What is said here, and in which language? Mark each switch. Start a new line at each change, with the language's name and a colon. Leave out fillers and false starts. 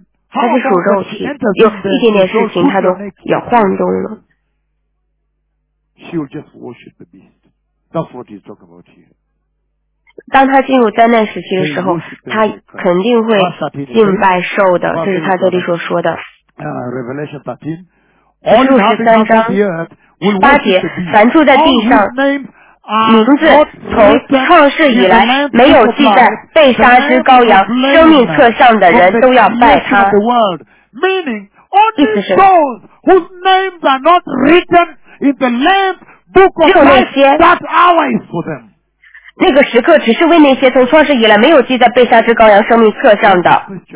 Chinese: 他是属肉体，有一点点事情他都要晃动了。
English: She'll just worship the beast. That's what he's talking about here.
Chinese: 当他进入灾难时期的时候，他肯定会敬拜兽的，这是他这里所说的。
English: Revelation 13.
Chinese: 启示录十三章八节，凡住在地上，名字从创世以来没有记在被杀之羔羊生命册上的人都要拜他。
English: Meaning all these souls whose names are not written. In the Lamb Book of Life, that hour is for them.
Chinese: 那个时刻只是为那些从创世以来没有记在被杀之羔羊生命册上的。